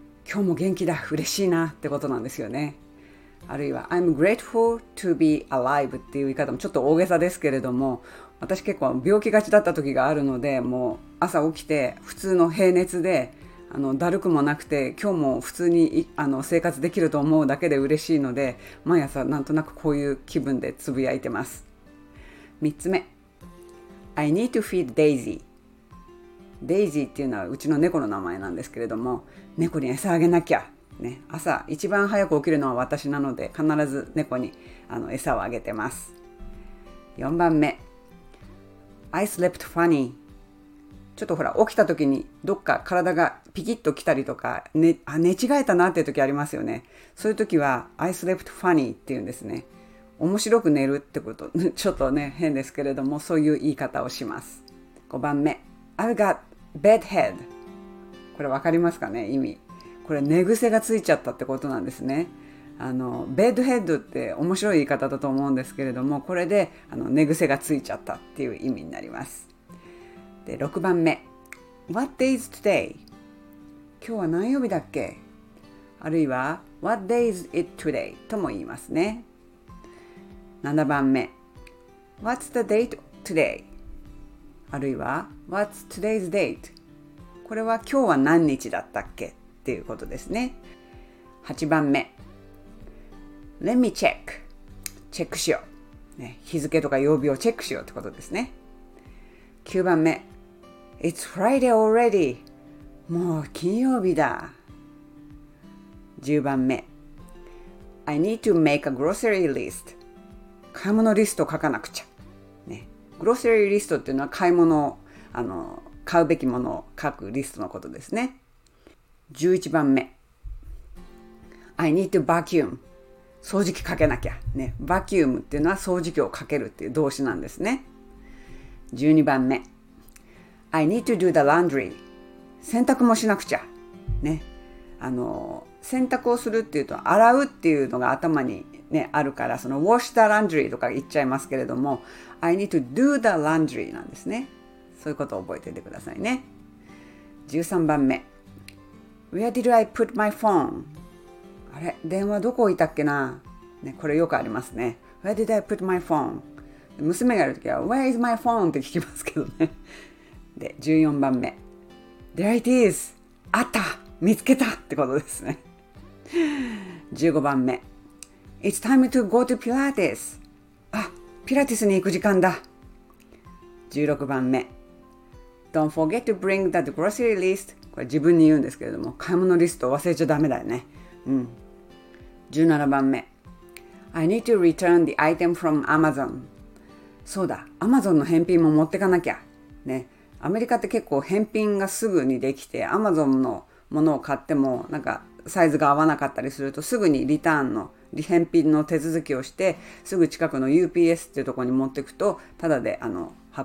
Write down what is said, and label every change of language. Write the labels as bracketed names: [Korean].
[Japanese] 今日も元気だ、嬉しいなってことなんですよね。あるいは [English] I'm grateful to be alive [Japanese] っていう言い方もちょっと大げさですけれども、私結構病気がちだった時があるので、もう朝起きて普通の平熱で、だるくもなくて、今日も普通に生活できると思うだけで嬉しいので、毎朝なんとなくこういう気分でつぶやいてます。 [English] 3つ目、 I need to feed Daisy。 [Japanese] デイジーっていうのはうちの猫の名前なんですけれども、猫に餌あげなきゃ、ね、朝一番早く起きるのは私なので必ず猫に餌をあげてます。 [English] 4番目、 I slept funny。 [Japanese] ちょっとほら、起きた時にどっか体がピキッときたりとか、寝違えたなっていう時ありますよね。そういう時は [English] I slept funny [Japanese] っていうんですね。面白く寝るってこと、ちょっとね、変ですけれども、そういう言い方をします。 [English] 5番目、I've got bed head。 [Japanese] これ分かりますかね、意味。これ寝癖がついちゃったってことなんですね。 bed head って面白い言い方だと思うんですけれども、これで寝癖がついちゃったっていう意味になります。 [English] で、6番目、What day is today? [Japanese] 今日は何曜日だっけ? [English] あるいは、What day is it today? [Japanese] とも言いますね。 [English] 7番目 What's the date today? あるいは What's today's date? [Japanese] これは今日は何日だったっけっていうことですね。 [English] 8番目、 Let me check。 [Japanese] チェックしよう、ね、日付とか曜日をチェックしようってことですね。 [English] 9番目、 It's Friday already。 [Japanese] もう金曜日だ。10番目、 [English] I need to make a grocery list。 [Japanese] 買い物リストを書かなくちゃ、ね、グロッセリーリストっていうのは買い物を買うべきものを書くリストのことですね。 [English] 11番目、 I need to vacuum。 [Japanese] 掃除機かけなきゃね。 vacuum っていうのは掃除機をかけるっていう動詞なんですね。 [English] 12番目、 I need to do the laundry。 [Japanese] 洗濯もしなくちゃね。洗濯をするっていうと洗うっていうのが頭にね、あるから、その [English] wash the laundry [Japanese] とか言っちゃいますけれども、 [English] I need to do the laundry [Japanese] なんですね。そういうことを覚えていてくださいね。 [English] 13番目、 Where did I put my phone? [Japanese] あれ、電話どこ置いたっけな、ね、これよくありますね。 [English] Where did I put my phone? [Japanese] 娘がいるときは [English] Where is my phone? [Japanese] って聞きますけどね。 [English] で、14番目、 There it is! [Japanese] あった!見つけた!ってことですね。15番目、 [English] It's time to go to Pilates. [Japanese] あ、ピラティスに行く時間だ。 16番目。 [English] Don't forget to bring that grocery list. [Japanese] これ自分に言うんですけれども、買い物リスト忘れちゃダメだよね。うん。17番目。 [English] I need to return the item from Amazon. [Japanese] そうだ、Amazon の返品も持ってかなきゃ。ね。アメリカって結構返品がすぐにできて、Amazon のものを買っても、なんかサイズが合わなかったりすると、すぐにリターンの返品の手続きをして、すぐ近くの UPS っていうところに持っていくと、タダで払